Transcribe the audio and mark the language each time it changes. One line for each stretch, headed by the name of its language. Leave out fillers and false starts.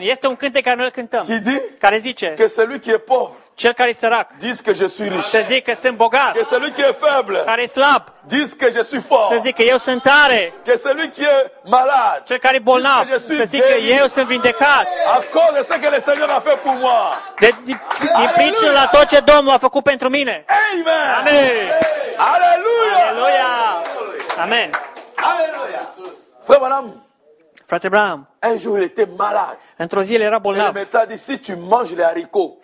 Romanian: Este un cântec care noi îl cântăm.
French: Qui dit?
Romanian: Care zice?
French: Que celui qui est pauvre.
Romanian: Cel care e sărac.
French: Dis que je suis riche.
Romanian: Să zic că sunt bogat.
French: Que celui qui est faible.
Romanian: Care e slab.
French: Dis que je suis fort.
Romanian: Să zic că eu sunt tare.
French: Que celui qui est malade.
Romanian: Cel care e bolnav. Să zic că eu sunt vindecat.
French: Acord de ce que le Seigneur a fait pour moi.
Romanian: De principiu la tot ce Domnul a făcut pentru mine. Amen. Amen. Aleluia. Aleluia. Amen.
French: Aleluia. Frère Branham.
Romanian: Frate Branham.
French: Un jour il était malade.
Romanian: Într-o zi el era bolnav.
French: Le médecin a dit, si tu manges les haricots.